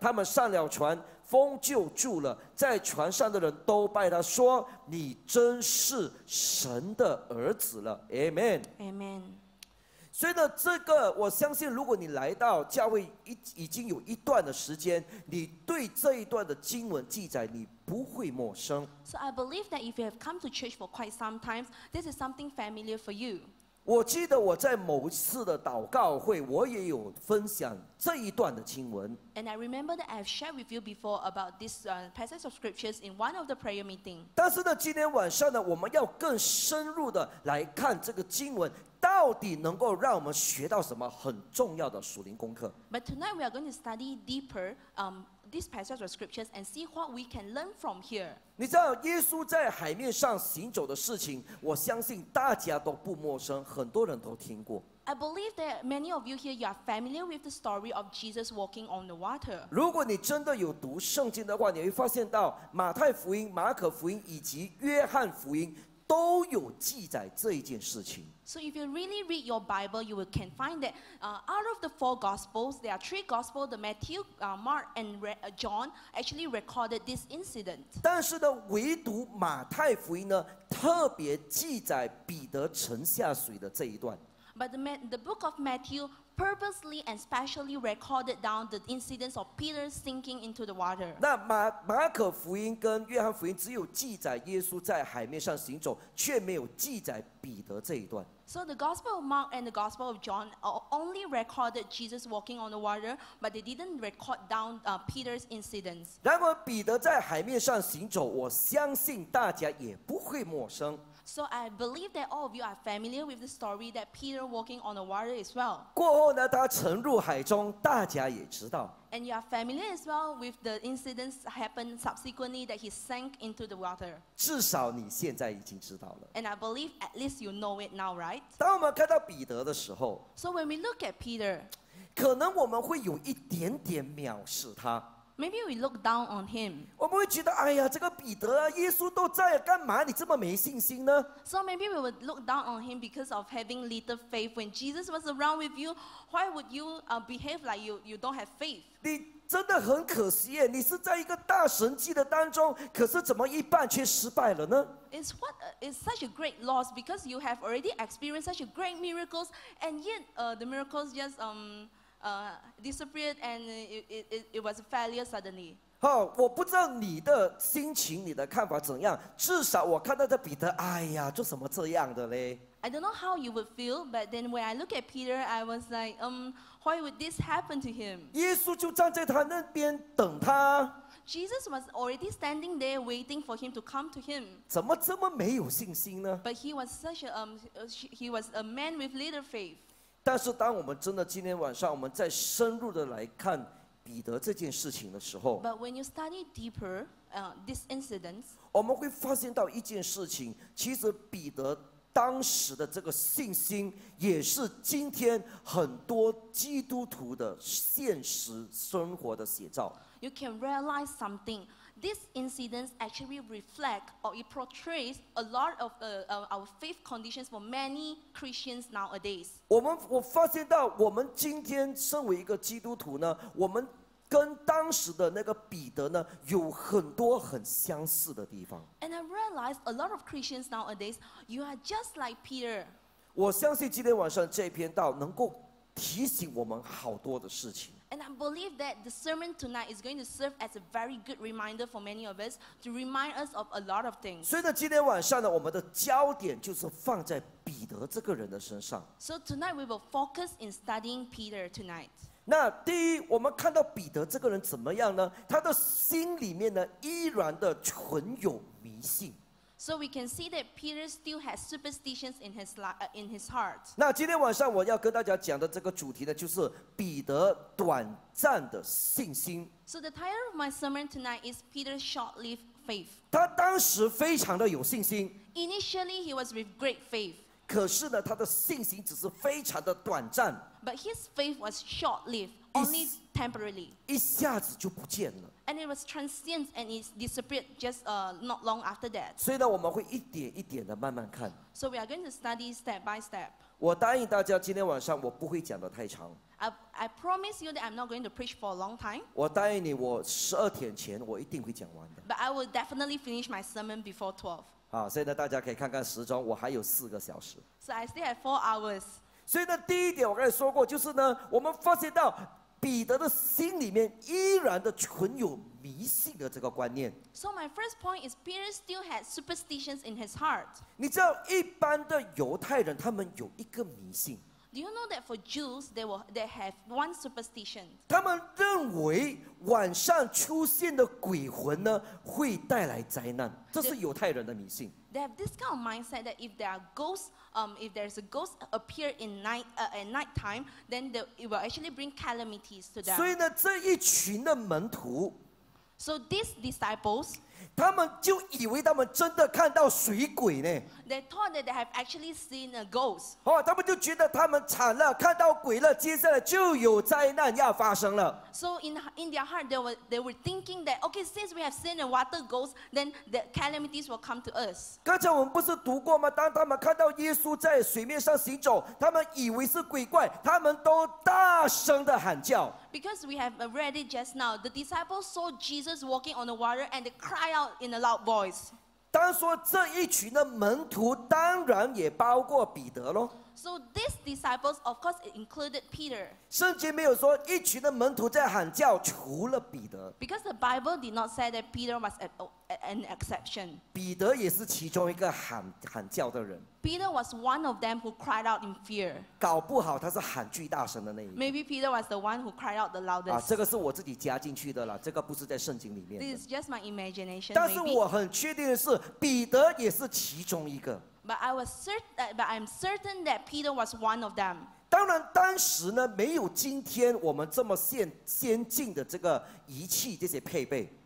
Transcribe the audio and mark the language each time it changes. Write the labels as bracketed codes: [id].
[zh] 他们上了船，风就住了，在船上的人都拜他说：“你真是神的儿子了。” [en] Amen. Amen. [zh] 所以呢，这个我相信，如果你来到教会已经有一段的时间，你对这一段的经文记载你不会陌生。 [en] So I believe that if you have come to church for quite some time, this is something familiar for you. [zh] 我记得我在某一次的祷告会，我也有分享这一段的经文。 [en] And I remember that I've shared with you before about this passage of scriptures in one of the prayer meeting. [zh] 但是呢，今天晚上呢，我们要更深入的来看这个经文，到底能够让我们学到什么很重要的属灵功课。 [en] But tonight we are going to study deeper, this passage of scriptures and see what we can learn from here. [zh] 你知道耶稣在海面上行走的事情，我相信大家都不陌生，很多人都听过。 [en] I believe that many of you here, you are familiar with the story of Jesus walking on the water. [zh] 如果你真的有读圣经的话，你会发现到马太福音、马可福音以及约翰福音都有记载这一件事情。 [en] So if you really read your Bible, you can find that out of the four Gospels, there are three Gospels, the Matthew, Mark, and John actually recorded this incident. [zh] 但是呢，唯独马太福音呢，特别记载彼得沉下水的这一段。 [en] But the book of Matthew purposely and specially recorded down the incidents of Peter sinking into the water. [zh] 那马可福音跟约翰福音只有记载耶稣在海面上行走，却没有记载彼得这一段。 [en] So the Gospel of Mark and the Gospel of John only recorded Jesus walking on the water, but they didn't record down Peter's incidents. [zh] 然而彼得在海面上行走，我相信大家也不会陌生。 [en] So I believe that all of you are familiar with the story that Peter walking on the water as well. [zh] 过后呢，他沉入海中，大家也知道。 [en] And you are familiar as well with the incidents happened subsequently that he sank into the water. [zh] 至少你现在已经知道了。 [en] And I believe at least you know it now, right? [zh] 当我们看到彼得的时候 [en] ，So when we look at Peter, [zh] 可能我们会有一点点藐视他。 [en] Maybe we look down on him. [zh] 我们会觉得，哎呀，这个彼得啊，耶稣都在，干嘛你这么没信心呢 [en] ？So maybe we would look down on him because of having little faith. When Jesus was around with you, why would you behave like you don't have faith? [zh] 你真的很可惜耶，你是在一个大神迹的当中，可是怎么一半却失败了呢 [en] ？It's such a great loss because you have already experienced such a great miracles, and yet the miracles just disappeared and it was a failure suddenly. [zh] 好，我不知道你的心情、你的看法怎样。至少我看到的彼得，哎呀，做什么这样的嘞 [en] ？I don't know how you would feel, but then when I look at Peter, I was like, why would this happen to him? [zh] 耶稣就站在他那边等他。 [en] Jesus was already standing there waiting for him to come to him. [zh] 怎么这么没有信心呢 [en] ？But he was such a he was a man with little faith. [zh] 但是当我们真的今天晚上，我们再深入的来看彼得这件事情的时候 [en] ，But when you study deeper, this incident, [zh] 我们会发现到一件事情，其实彼得当时的这个信心，也是今天很多基督徒的现实生活的写照。 [en] You can realize something. This incident actually reflects or it portrays a lot of our faith conditions for many Christians nowadays. [zh] 我发现到我们今天身为一个基督徒呢，我们跟当时的那个彼得呢，有很多很相似的地方。 [en] And I realize a lot of Christians nowadays, you are just like Peter. [zh] 我相信今天晚上这篇道能够提醒我们好多的事情。 [en] And I believe that the sermon tonight is going to serve as a very good reminder for many of us to remind us of a lot of things. [zh] 所以呢，今天晚上呢，我们的焦点就是放在彼得这个人的身上。 [en] So tonight we will focus in studying Peter tonight. [zh] 那第一，我们看到彼得这个人怎么样呢？他的心里面呢，依然的存有迷信。 [en] So we can see that Peter still has superstitions in his in his heart. [zh] 那今天晚上我要跟大家讲的这个主题呢，就是彼得短暂的信心。 [en] So the title of my sermon tonight is Peter's short-lived faith. [zh] 他当时非常的有信心。 [en] Initially, he was with great faith. [zh] 可是呢，他的信心只是非常的短暂。 [en] But his faith was short-lived, only temporarily. [zh] 一下子就不见了。 [en] And it was transient and it disappeared just not long after that. [zh] 所以呢，我们会一点一点的慢慢看。 [en] So we are going to study step by step. [zh] 我答应大家，今天晚上我不会讲的太长。 [en] I promise you that I'm not going to preach for a long time. [zh] 我答应你，我十二点前我一定会讲完的。 [en] But I will definitely finish my sermon before 12. [zh] 好，所以呢，大家可以看看时钟，我还有四个小时。 [en] So I still have 4 hours. [zh] 所以呢，第一点我刚才说过，就是呢，我们发现到彼得的心里面依然的存有迷信的这个观念。 [en] So my first point is Peter still had superstitions in his heart. [zh] 你知道一般的犹太人他们有一个迷信。 [en] Do you know that for Jews they have one superstition? [zh] 他们认为晚上出现的鬼魂呢会带来灾难，这是犹太人的迷信。 [en] They have this kind of mindset that if there are ghosts, if there's a ghost appear in night, at night time, then it will actually bring calamities to them. [zh] 所以呢，这一群的门徒 [en] ，So these disciples, [zh] 他们就以为他们真的看到水鬼呢。 [en] They thought that they have actually seen a ghost. [zh] 哦，他们就觉得他们惨了，看到鬼了，接下来就有灾难要发生了。 [en] So in their heart, they were thinking that okay, since we have seen a water ghost, then the calamities will come to us. [zh] 刚才我们不是读过吗？当他们看到耶稣在水面上行走，他们以为是鬼怪，他们都大声的喊叫。 [en] Because we have read it just now, the disciples saw Jesus walking on the water and they cry out in a loud voice. [zh] 当说这一群的门徒，当然也包括彼得咯。 [en] So these disciples, of course, included Peter. [zh] 圣经没有说一群的门徒在喊叫，除了彼得。 [en] Because the Bible did not say that Peter was an exception. [zh] 彼得也是其中一个喊叫的人。 [en] Peter was one of them who cried out in fear. [zh] 搞不好他是喊最大声的那一个。 [en] Maybe Peter was the one who cried out the loudest. [zh] 啊，这个是我自己加进去的了，这个不是在圣经里面的。 [en] This is just my imagination. [zh] 但是我很确定的是，彼得也是其中一个。 [en] But I'm certain that Peter was one of them. [zh] 当然，当时呢，没有今天我们这么先进的这个仪器这些配备。